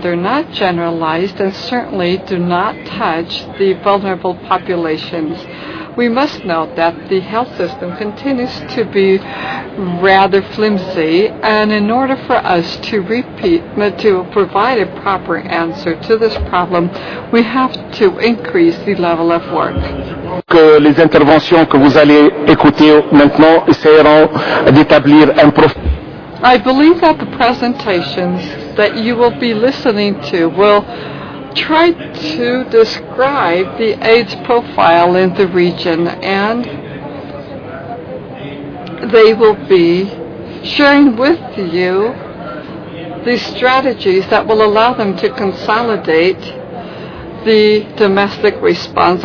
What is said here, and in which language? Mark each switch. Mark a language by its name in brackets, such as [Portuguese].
[English] They're not generalized and certainly do not touch the vulnerable populations. We must note that the health system continues to be rather flimsy, and in order for us to provide a proper answer to this problem, we have to increase the level of work. [French] Que les interventions que vous allez écouter maintenant essaieront d'établir un profil. [English] I believe that the presentations that you will be listening to will try to describe the AIDS profile in the region, and they will be sharing with you the strategies that will allow them to consolidate the domestic response.